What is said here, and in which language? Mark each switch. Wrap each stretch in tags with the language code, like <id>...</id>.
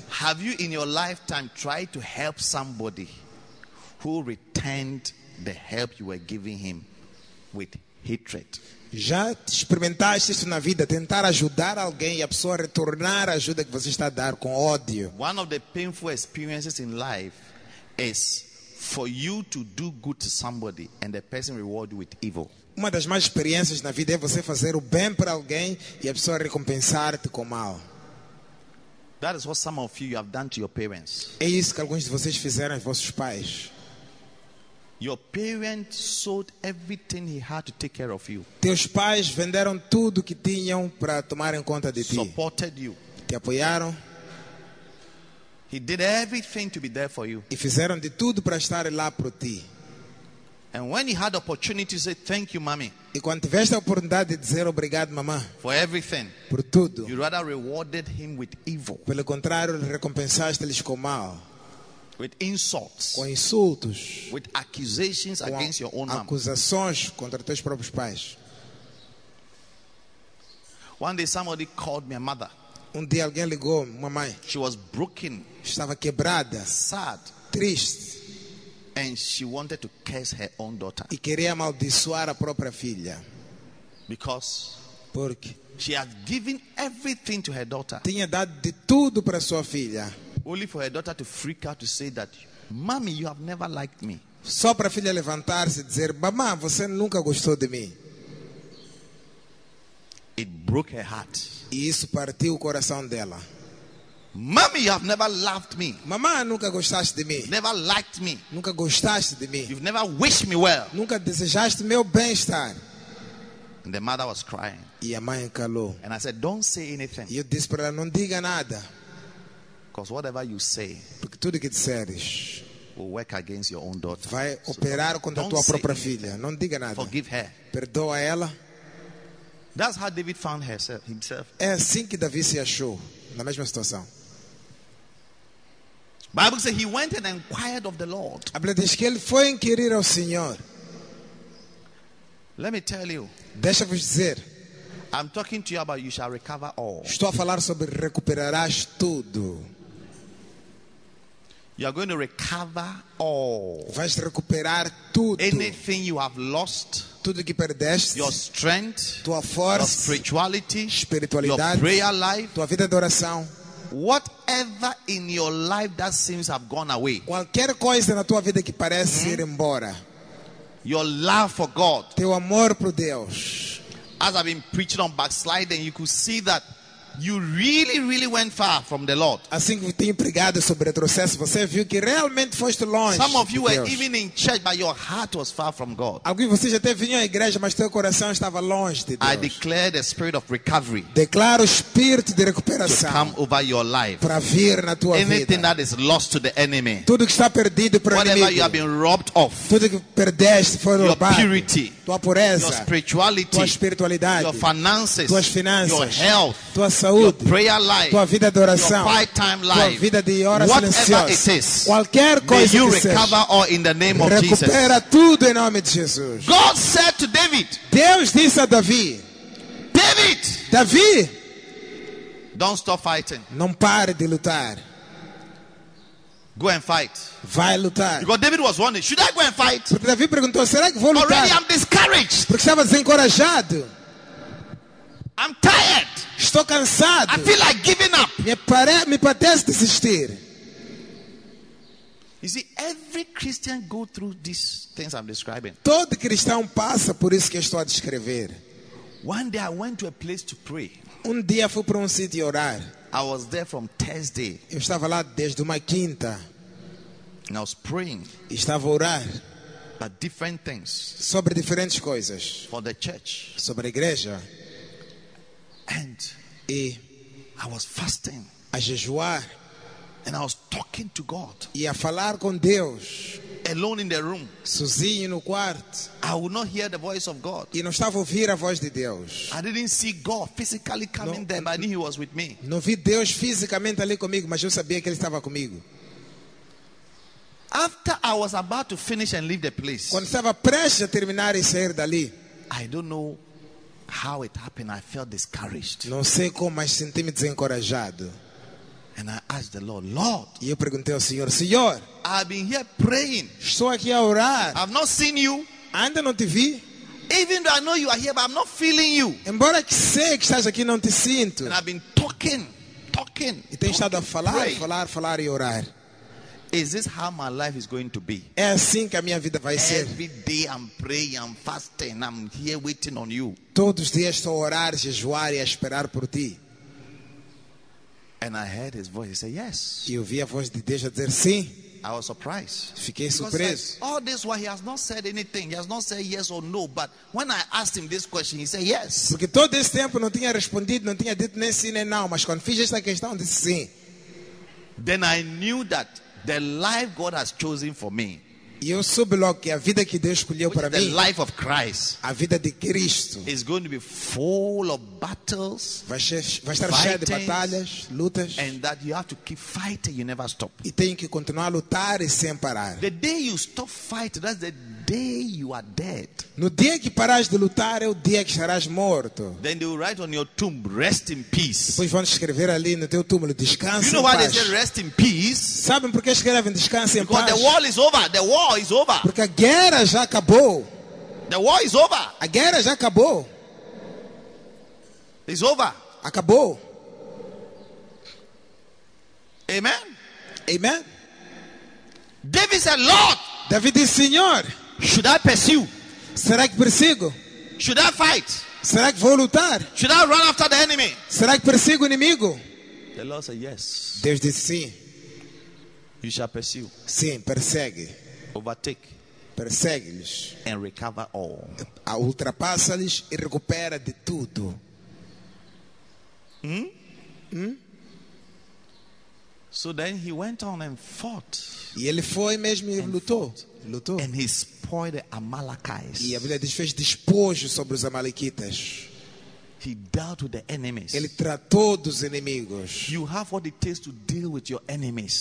<en>Have you in your lifetime tried to help somebody who returned the help you were giving him with hatred?</en> <pt>Já experimentaste isso na vida, tentar ajudar alguém e a pessoa retornar a ajuda que você está a dar com ódio?</pt> <en>One of the painful experiences in life is for you to do good to somebody and the person reward you with evil.</en> <pt>Uma das más experiências na vida é você fazer o bem para alguém e a pessoa recompensar-te com mal.</pt> <en>That is what some of you have done to your parents.</en> <pt>É isso que alguns de vocês fizeram aos vossos pais.</pt> <en>Your parents sold everything he had to take care of you.</en> <pt>Teus pais venderam tudo que tinham para tomar em conta de ti.</pt> <en>Supported you.</en> <pt>Te apoiaram.</pt> <en>He did everything to be there for you.</en> <pt>E fizeram de tudo para estar lá para ti.</pt> <en>And when he had opportunity to say thank you, mommy.</en> <pt>E quando tiveste a oportunidade de dizer obrigado, mamã.</pt> <en>For everything.</en> <pt>Por tudo.</pt> <en>You rather rewarded him with evil.</en> <pt>Pelo contrário, recompensaste-lhes com mal.</pt> <en>With insults.</en> <pt>Com insultos.</pt> <en>With accusations against your own mom.</en> <pt>Acusações contra teus próprios pais.</pt> <en>One day somebody called me a mother.</en> <pt>Um dia alguém ligou, mamãe.</pt> <en>She was broken.</en> <pt>Estava quebrada.</pt> <en>Sad.</en> <pt>Triste.</pt> <en>And she wanted to curse her own daughter.</en> <pt>E queria amaldiçoar a própria filha.</pt> <en>Because</en> <pt>porque</pt> <en>she had given everything to her daughter.</en> <pt>Tinha dado de tudo para sua filha.</pt> <en>Only for her daughter to freak out to say that, "Mommy, you have never liked me."</en> <pt>Só para a filha levantar-se e dizer, "Mamã, você nunca gostou de mim."</pt> <en>It broke her heart.</en> <pt>E isso partiu o coração dela.</pt> <en>"Mommy, you have never loved me."</en> <pt>Mamã, nunca gostaste de mim.</pt> <en>"Never liked me."</en> <pt>Nunca gostaste de mim.</pt> <en>"You've never wished me well."</en> <pt>Nunca desejaste meu bem-estar.</pt> <en>And the mother was crying.</en> <pt>E a mãe calou.</pt> <en>And I said, "Don't say anything."</en> <pt>E eu disse para ela, não diga nada.</pt> <en>"Because whatever you say,</en> <pt>porque tudo que disseres</pt> <en>will work against your own daughter."</en> <pt>Vai operar contra a tua própria filha. Não diga nada.</pt> <en>"Forgive her."</en> <pt>Perdoa ela.</pt> <en>That's how David found himself.</en> <pt>É assim que Davi se achou na mesma situação.</pt> <en>Bible says he went and inquired of the Lord.</en> <pt>A Bíblia diz que ele foi inquirir ao Senhor.</pt> <en>Let me tell you.</en> <pt>Deixa-vos dizer.</pt> <en>I'm talking to you about you shall recover all.</en> <pt>Estou a falar sobre recuperarás tudo.</pt> <en>You are going to recover all.</en> <pt>Vais recuperar tudo.</pt> <en>Anything you have lost.</en> <pt>Tudo que perdeste.</pt> <en>Your strength.</en> <pt>Tua força.</pt> <en>Your spirituality.</en> <pt>Espiritualidade.</pt> <en>Your prayer life.</en> <pt>Tua vida de oração.</pt> <en>Whatever in your life that seems have gone away.</en> <pt>Qualquer coisa na tua vida que parece ir embora.</pt> <en>Your love for God.</en> <pt>Teu amor por Deus.</pt> <en>As I've been preaching on backsliding, you could see that you really, really went far from the Lord.</en> <pt>Assim que tenho pregado sobre retrocesso, você viu que realmente foste longe.</pt> <en>Some of you were even in church, but your heart was far from God.</en> <pt>Alguns de vocês até vinham à igreja, mas teu coração estava longe de Deus.</pt> <en>I declare the spirit of recovery.</en> <pt>Declaro o espírito de recuperação.</pt> <en>To come over your life.</en> <pt>Para vir na tua</pt> <en>Anything</en> <pt>vida.</pt> <en>Anything that is lost to the enemy.</en> <pt>Tudo que está perdido para o inimigo.</pt> <en>Whatever you have been robbed of.</en> <pt>Tudo que perdeste foi roubado.</pt> <en>Your purity.</en> <pt>Tua pureza.</pt> <en>Your spirituality.</en> <pt>Tua espiritualidade.</pt> <en>Your finances.</en> <pt>Tuas finanças.</pt> <en>Your health.</en> <pt>Tua saúde.</pt> <en>Your prayer life,</en> <pt>tua vida de oração,</pt> <en>your quiet time life,</en> <pt>tua vida de hora silenciosa, qualquer coisa</pt> <en>may you</en> <pt>que seja,</pt> <en>recover all in the name of</en> <pt>recupera</pt> <en>Jesus.</en> <pt>Recupera tudo em nome de Jesus.</pt> <en>God said to David,</en> <pt>Deus disse a Davi,</pt> <en>David,</en> <pt>Davi,</pt> <en>don't stop fighting.</en> <pt>Não pare de lutar.</pt> <en>Go and fight.</en> <pt>Vai lutar.</pt> <en>Because David was wondering, should I go and fight?</en> <pt>Porque Davi perguntou, será que vou lutar?</pt> <en>Already I'm discouraged.</en> <pt>Porque estava desencorajado.</pt> <en>I'm tired.</en> <pt>Estou cansado.</pt> <en>I feel like giving up.</en> <pt>Me parece desistir.</pt> <en>You see, every Christian go through these things I'm describing.</en> <pt>Todo cristão passa por isso que estou a descrever.</pt> <en>One day I went to a place to pray.</en> <pt>Dia fui para sítio orar.</pt> <en>I was there from Thursday.</en> <pt>Eu estava lá desde uma quinta.</pt> <en>And I was praying.</en> <pt>Estava a orar.</pt> <en>But different things.</en> <pt>Sobre diferentes coisas.</pt> <en>For the church.</en> <pt>Sobre a igreja.</pt> <en>And I was fasting,</en> <pt>a jejuar,</pt> <en>and I was talking to God.</en> <pt>E a falar com Deus,</pt> <en>alone in the room,</en> <pt>sozinho no quarto.</pt> <en>I would not hear the voice of God.</en> <pt>E não estava a ouvir a voz de Deus.</pt> <en>I didn't see God physically coming there, but I knew He was with me.</en> <pt>Não vi Deus fisicamente ali comigo, mas eu sabia que Ele estava comigo.</pt> <en>After I was about to finish and leave the place,</en> <pt>quando estava prestes a terminar e sair dali,</pt> <en>I don't know how it happened, I felt discouraged.</en> <pt>Não sei como, mas senti-me desencorajado.</pt> <en>And I asked the Lord, Lord.</en> <pt>E eu perguntei ao Senhor, Senhor.</pt> <en>I've been here praying.</en> <pt>Estou aqui a orar.</pt> <en>I've not seen you.</en> <pt>Ainda não te vi.</pt> <en>Even though I know you are here, but I'm not feeling you.</en> <pt>Embora que sei que estás aqui, não te sinto.</pt> <en>And I've been talking.</en> <pt>E tenho estado a falar e orar.</pt> <en>Is this how my life is going to be?</en> <pt>É assim que a minha vida vai ser.</pt> <en>Every day I'm praying, I'm fasting, I'm here waiting on you.</en> <pt>Todos os dias estou a orar, a jejuar e a esperar por ti.</pt> <en>And I heard his voice. He said, yes.</en> <pt>E ouvi a voz de Deus a dizer sim.</pt> <en>I was surprised.</en> <pt>Fiquei</pt> <en>because</en> <pt>surpreso.</pt> <en>Like, all this while he has not said anything. He has not said yes or no. But when I asked him this question, he said yes.</en> <pt>Porque todo esse tempo não tinha respondido, não tinha dito nem sim nem não. Mas quando fiz esta questão, disse sim.</pt> <en>Then I knew that the life God has chosen for me.</en> <pt>E eu soube logo que a vida que Deus escolheu para mim,</pt> <en>the life of Christ,</en> <pt>a vida de Cristo,</pt> <en>is going to be full of battles,</en> <pt>vai estar cheia de batalhas, lutas,</pt> <en>and that you have to keep fighting, you never stop.</en> <pt>E tem que continuar a lutar e sem parar.</pt> <en>The day you stop fighting, that's the day you are dead.</en> <pt>No dia que parares de lutar é o dia que estarás morto.</pt> <en>Then they will write on your tomb, rest in peace.</en> <pt>Depois vão escrever ali no teu túmulo, descanse</pt> <en>you know</en> <pt>em paz.</pt> <en>You know why they say rest in peace?</en> <pt>Sabem por que escrevem descanse em paz?</pt> <en>Because the war is over. The war war is over.</en> <pt>Porque a guerra já acabou.</pt> <en>The war is over.</en> <pt>A guerra já acabou.</pt> <en>It's over.</en> <pt>Acabou.</pt> <en>Amen.</en> <pt>Amen.</pt> <en>David said, Lord.</en> <pt>David disse, Senhor.</pt> <en>Should I pursue?</en> <pt>Será que persigo?</pt> <en>Should I fight?</en> <pt>Será que vou lutar?</pt> <en>Should I run after the enemy?</en> <pt>Será que persigo o inimigo?</pt> <en>The Lord said, yes.</en> <pt>Deus disse, sim.</pt> <en>You shall pursue.</en> <pt>Sim, persegue.</pt> <en>Overtake.</en> <pt>Persegue-lhes.</pt> <en>And recover all.</en> <pt>Ultrapassa-lhes e recupera de tudo.</pt> <en>So then he went on and fought.</en> <pt>E ele foi mesmo e lutou. Lutou.</pt> <en>And he spoiled the Amalekites.</en> <pt>E a Bíblia diz, fez despojo sobre os Amalequitas.</pt> <en>He dealt with the enemies.</en> <pt>Ele tratou dos inimigos.</pt> <en>You have what it takes to deal with your enemies.</en>